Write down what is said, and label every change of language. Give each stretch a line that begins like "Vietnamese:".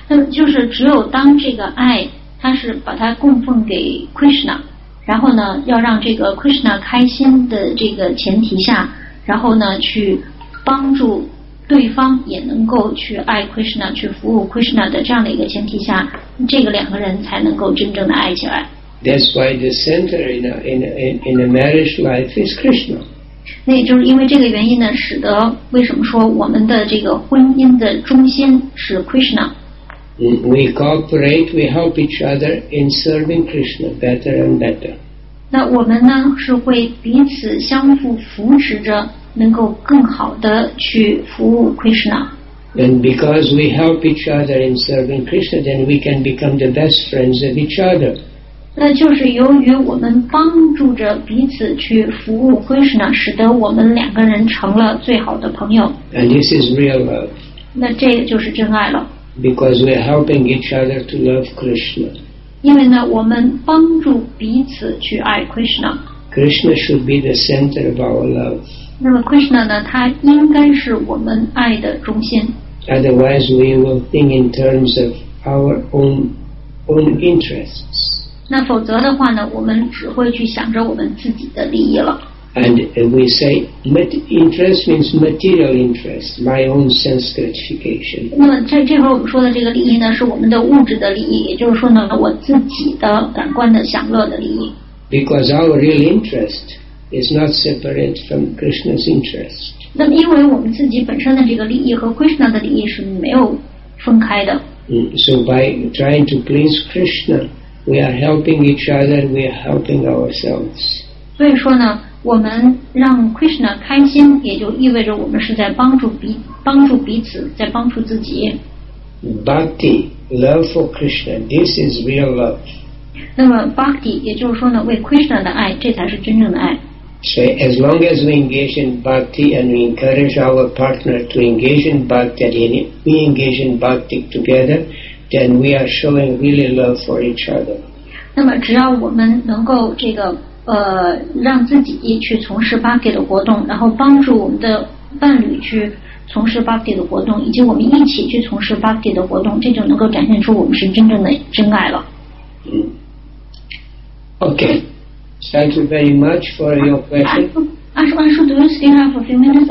Chinese: 就是只有当这个爱，它是把它供奉给 Krishna， 然后呢，要让这个 Krishna 开心的这个前提下，然后呢，去帮助对方也能够去爱 Krishna， 去服务 Krishna 的这样的一个前提下，这个两个人才能够真正的爱起来。
English: That's why the center in a marriage life is Krishna.
Chinese: 那也就是因为这个原因呢，使得为什么说我们的这个婚姻的中心是 Krishna？
English: We cooperate, we help each other in serving Krishna better and better.
Chinese: 那我们呢是会彼此相互扶持着，能够更好的去服务 Krishna。
English: And because we help each other in serving Krishna, then we can become the best friends of each other.
Chinese: 那就是由于我们帮助着彼此去服务 Krishna， 使得我们两个人成了最好的朋友。
English: And this is real love.
Chinese: 那这个就是真爱了。
English: Because we're helping each other to love Krishna.
Chinese: 因为呢，我们帮助彼此去爱 Krishna。
English: Krishna should be the center of our love.
Chinese: 那么 Krishna 呢，他应该是我们爱的中心。
English: Otherwise, we will think in terms of our own interests.
Chinese: 那否则的话呢，我们只会去想着我们自己的利益了。
English: And we say interest means material interest, my own sense gratification.
Chinese: 那么在这会儿我们说的这个利益呢，是我们的物质的利益，也就是说呢，我自己的感官的享乐的利益。
English: Because our real interest is not separate from Krishna's interest.
Chinese: 那么因为我们自己本身的这个利益和 Krishna 的利益是没有分开的。
English: So by trying to please Krishna. We are helping each other. We are helping ourselves.
Chinese: 所以说呢，我们让 Krishna 开心，也就意味着我们是在帮助彼此，在帮助自己。
English: Bhakti, love for Krishna, this is real love.
Chinese: 那么 Bhakti 也就是说呢，为 Krishna 的爱，这才是真正的爱。
English: So as long as we engage in Bhakti and we encourage our partner to engage in Bhakti, and we engage in Bhakti together, then we are showing really love for each other.
Chinese: 那么只要我们能够这个让自己去从事八戒的活动，然后帮助我们的伴侣去从事八戒的活动，以及我们一起去从事八戒的活动，这就能够展现出我们是真正的真爱了。
English: Okay, thank you very much for your question. Ashwanshu, do you still have a few minutes?